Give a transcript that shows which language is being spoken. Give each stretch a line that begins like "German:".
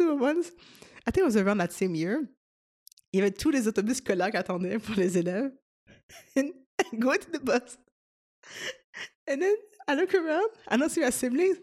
English: I think it was around that same year.
French: Il y avait tous les autobus scolaires qui attendaient pour les élèves.
English: And I go to the bus. And then I look around, I don't see my siblings.